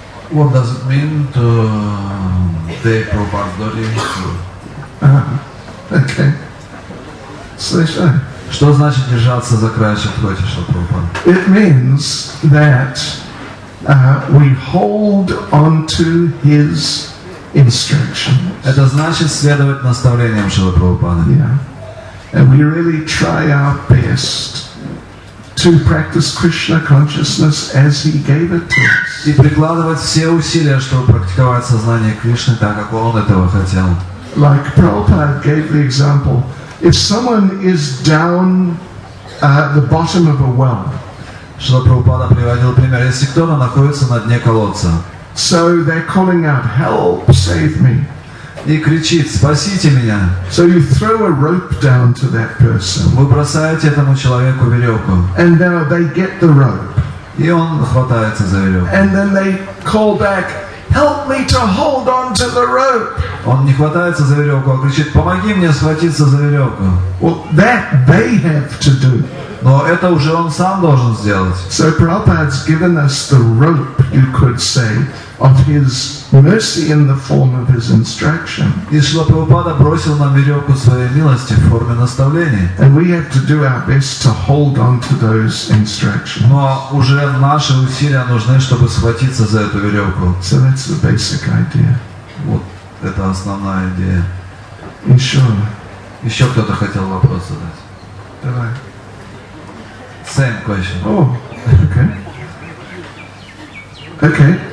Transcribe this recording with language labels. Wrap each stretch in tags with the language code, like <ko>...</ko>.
<en>What does it mean to take Prabhupada to?</en> <ru>Слышай. Что значит держаться за краешек лотиша, Прабхупада?</ru> <en>It means that we hold on to his instructions.</en> <ru>Это значит следовать наставлениям Шрилы Прабхупады.</ru> <en>Yeah. And we really try our best to practice Krishna consciousness as he gave it to us.</en> <ru>И прикладывать все усилия, чтобы практиковать сознание Кришны так, как он этого хотел.</ru> <en>Like Prabhupada gave the example, if someone is down at the bottom of a well,</en> <ru>Шрила Прабхупада приводил пример, если кто-то находится на дне колодца,</ru> <en>so they're calling out, help, save me.</en> <ru>И кричит, спасите меня.</ru> <en>So you throw a rope down to that person.</en> <ru>Вы бросаете этому человеку веревку.</ru> <en>And now they get the rope.</en> <ru>И он хватается за веревку.</ru> <en>And then they call back, help me to hold on to the rope.</en> <ru>Он не хватается за веревку, а кричит, помоги мне схватиться за веревку.</ru> <en>Well, that they have to do.</en> <ru>Но это уже он сам должен сделать.</ru> <en>So Prabhupada's given us the rope, you could say, of his mercy in the form of his instruction.</en> <ru>И Шрила Прабхупада бросил нам веревку своей милости в форме наставления.</ru> <en>And we have to do our best to hold on to those instructions.</en> <ru>Но уже наши усилия нужны, чтобы схватиться за эту веревку.</ru> <en>So that's the basic idea.</en> <ru>Вот это основная идея. Еще кто-то хотел вопрос задать. Давай.</ru> <en>Same question. Oh, okay. Okay.</en>